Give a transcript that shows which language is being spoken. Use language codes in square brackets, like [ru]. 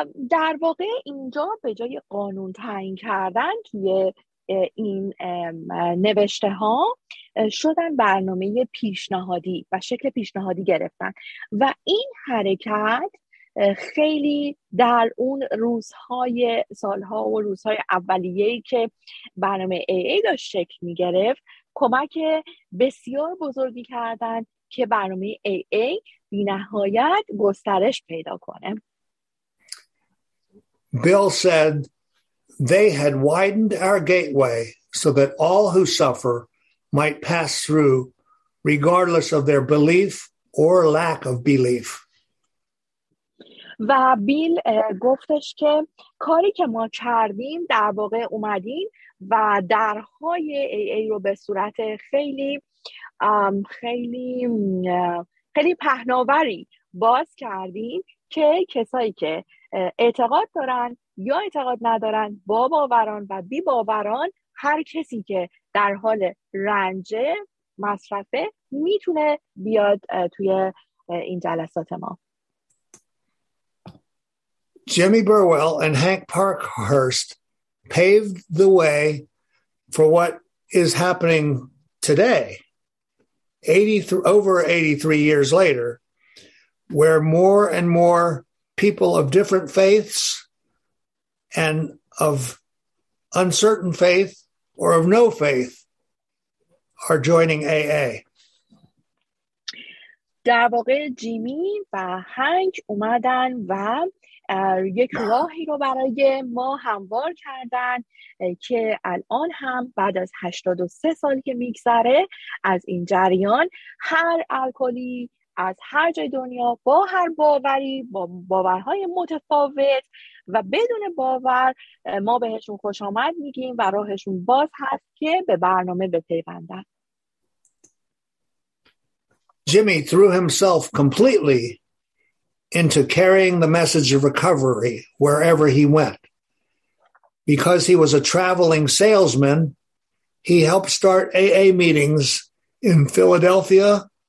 [fa] در واقع اینجا به جای قانون تعیین کردن توی این نوشته ها شدن برنامه پیشنهادی و شکل پیشنهادی گرفتن و این حرکت خیلی در اون روزهای سالها و روزهای اولیه‌ای که برنامه AA داشت شکل می‌گرفت کمک بسیار بزرگی کردن که برنامه AA بی نهایت گسترش پیدا کنه. [en] Bill said they had widened our gateway so that all who suffer might pass through regardless of their belief or lack of belief. [fa] و بیل گفتش که کاری که ما کردیم در واقع اومدیم و درهای ای ای رو به صورت خیلی خیلی خیلی پهناوری باز کردیم که کسایی که اعتقاد دارن یا اعتقاد ندارن، با باوران و بی باوران، هر کسی که در حال رنج مصرفه میتونه بیاد توی این جلسات ما. [en] Jimmy Burwell and Hank Parkhurst paved the way for what is happening today, over 83 years later, where more and more people of different faiths and of uncertain faith or of no faith are joining AA. [fa] در واقع جیمی و هنگ اومدن و یک راهی رو برای ما هموار کردن که الان هم بعد از 83 سال که میگذره از این جریان، هر الکلی از هر جای دنیا با هر باوری، با باورهای متفاوت و بدون باور، ما بهشون خوش آمد میگیم و راهشون باز هست که به برنامه بپیوندن. [en] Jimmy threw himself completely into carrying the message of recovery wherever he went. Because he was a traveling salesman, he helped start AA meetings in Philadelphia,